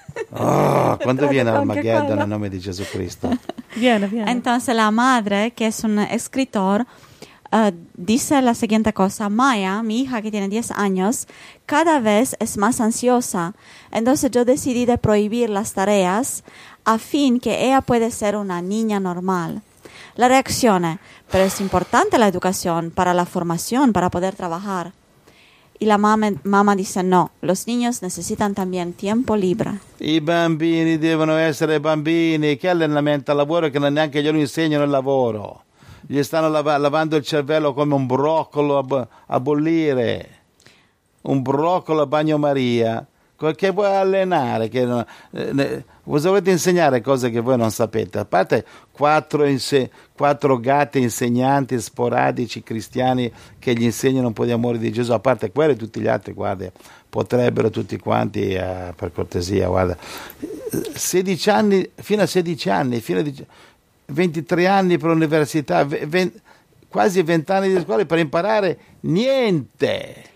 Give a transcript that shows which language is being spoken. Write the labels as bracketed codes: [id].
[it] Quando viene Armageddon nel nome di Gesù Cristo? Viene. Entonces, la madre, che è un escritor, dice la seguente cosa. [es] Maya, mi hija che tiene 10 años, cada vez es más ansiosa. Entonces, yo decidí de prohibir las tareas a fin que ella puede ser una niña normal. [it] La reazione, però è importante l'educazione, per la formazione, per poter lavorare. E la mamma dice no, [es] los niños necesitan también tiempo libre. [it] I bambini devono essere bambini, che allenamento al lavoro che non neanche glielo insegnano il lavoro. Gli stanno lavando il cervello come un broccolo a bollire, un broccolo a bagnomaria. Che vuoi allenare? Cosa volete insegnare cose che voi non sapete? A parte quattro gatti insegnanti sporadici cristiani che gli insegnano un po' di amore di Gesù, a parte quello e tutti gli altri, guarda, potrebbero tutti quanti, per cortesia, guarda, 16 anni, fino a 16 anni, fino a 23 anni per l'università, quasi 20 anni di scuola per imparare niente.